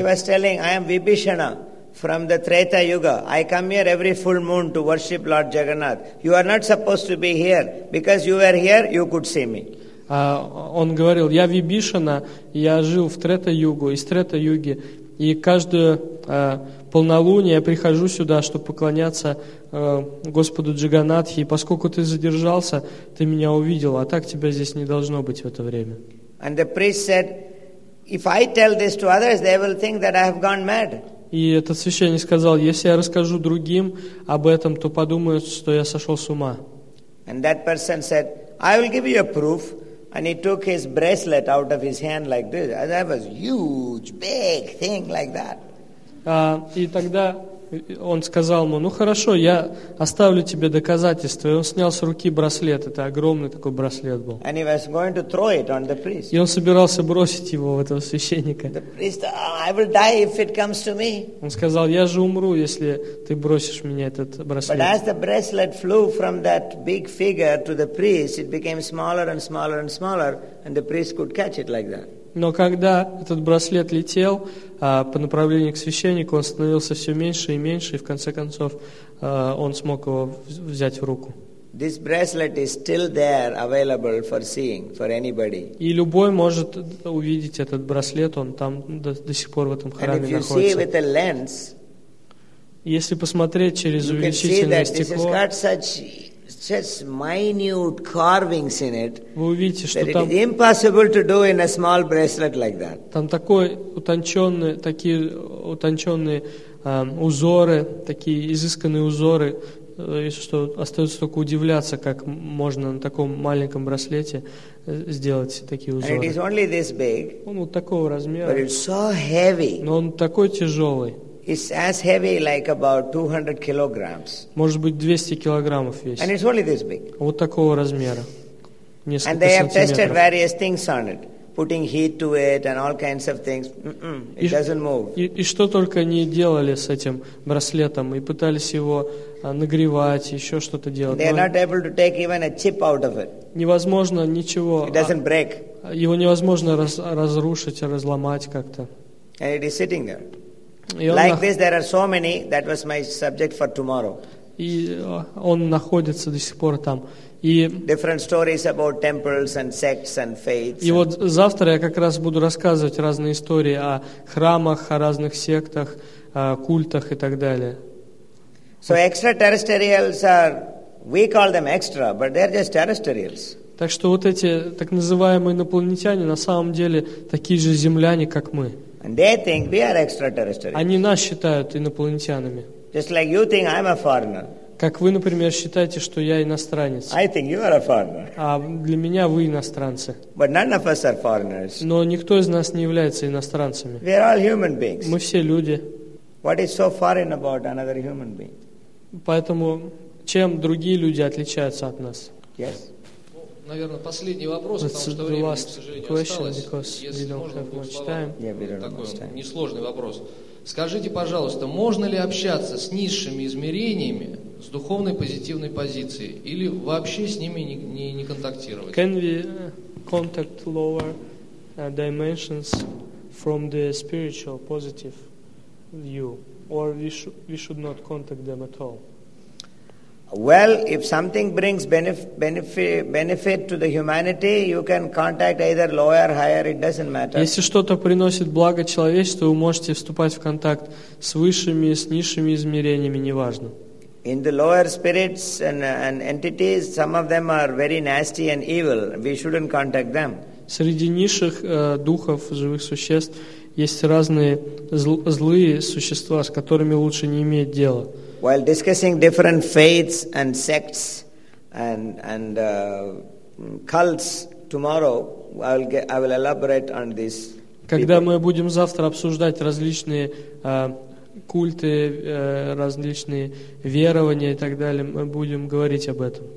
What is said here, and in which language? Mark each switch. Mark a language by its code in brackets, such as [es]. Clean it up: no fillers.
[en] He was telling, "I am Vibhishana from the Treta Yuga. I come here every full moon to worship Lord Jagannath. You are not supposed to be here. Because you were here, you could see me." [ru] Он говорил: "Я Вибишана, я жил в Трета-Югу, из Трета-Юги, и каждую полнолуние я прихожу сюда, чтобы поклоняться Господу Джаганатхи, и поскольку ты задержался, ты меня увидел, а так тебя здесь не должно быть в это время." [en] And the priest said, "If I tell this to others, they will think that I have gone mad." [ru] И этот священник сказал: "Если я расскажу другим об этом, то подумают, что я сошел с ума." [en] And that person said, "I will give you a proof." And he took his bracelet out of his hand like this. That was huge, big thing like that. [ru] И тогда он сказал ему: ну хорошо, я оставлю тебе доказательства. И он снял с руки браслет, это огромный такой браслет был. [en] And he was going to throw it on the priest. [ru] И он собирался бросить его в этого священника. [en] The priest, I will die if it comes to me. [ru] Он сказал: я же умру, если ты бросишь меня этот браслет. [en] But as the bracelet flew from that big figure to the priest, it became smaller and smaller and smaller, and the priest could catch it like that. [ru] Но когда этот браслет летел по направлению к священнику, он становился все меньше и меньше, и в конце концов он смог его взять в руку. [en] This bracelet is still there, available for seeing, for anybody. [ru] И любой может увидеть этот браслет, он там до сих пор в этом храме находится. [en] And if you see with a lens, [ru] если посмотреть через увеличительное стекло, [en] you can see that this has got such minute carvings in it. [ru] Вы увидите, что там [en] impossible to do in a small bracelet like that. [ru] Там такой утонченный, такие утонченные узоры, такие изысканные узоры, что остается только удивляться, как можно на таком маленьком браслете сделать такие узоры. [en] And it is only this big. [ru] Он вот такого размера. [en] But it's so heavy. [ru] Но он такой тяжелый. [en] It's as heavy like about 200 kilograms. [ru] Может быть, 200 килограммов весит. [en] And it's only this big. [ru] Вот такого размера. Несколько [en] And they have tested various things on it, putting heat to it and all kinds of things. It doesn't move. [ru] И что только не делали с этим браслетом, и пытались его нагревать, еще что-то делать. [en] They are not able to take even a chip out of it. [ru] Невозможно ничего. [en] It doesn't break. [ru] Его невозможно разрушить, разломать как-то. [en] And it is sitting there. Like this, there are so many. That was my subject for tomorrow. [ru] И он находится до сих пор там. И [en] different stories about temples and sects and faiths. [ru] И вот завтра я как раз буду рассказывать разные истории о храмах, о разных сектах, о культах и так далее. [en] So extraterrestrials are, we call them extra, but they're just terrestrials. [ru] Так что вот эти так называемые инопланетяне на самом деле такие же земляне, как мы. [en] And they think we are extraterrestrials. [ru] Они нас считают инопланетянами. [en] Just like you think I'm a foreigner. [ru] Как вы, например, считаете, что я иностранец. [en] I think you are a foreigner. [ru] А для меня вы иностранцы. [en] But none of us are foreigners. [ru] Но никто из нас не является иностранцами. [en] We are all human beings. [ru] Мы все люди. [en] What is so foreign about another human being? [ru] Поэтому чем другие люди отличаются от нас? [en] Yes. [ru] Наверное, последний вопрос, потому что времени, к сожалению, осталось. Если можно, будет [en] much time. [ru] Такой несложный вопрос. Скажите, пожалуйста, можно ли общаться с низшими измерениями с духовной позитивной позиции или вообще с ними не контактировать? [en] Can we contact lower dimensions from the spiritual positive view, or we should not contact them at all? Well, if something brings benefit to the humanity, you can contact either lower, higher, it doesn't matter. [ru] Если что-то приносит благо человечеству, вы можете вступать в контакт с высшими, с низшими измерениями, неважно. [en] In the lower spirits and entities, some of them are very nasty and evil. We shouldn't contact them. [ru] Среди низших духов, живых существ, есть разные злые существа, с которыми лучше не иметь дела. [en] While discussing different faiths and sects and cults tomorrow, I will elaborate on this. [ru] Когда мы будем завтра обсуждать различные культы, различные верования и так далее, мы будем говорить об этом.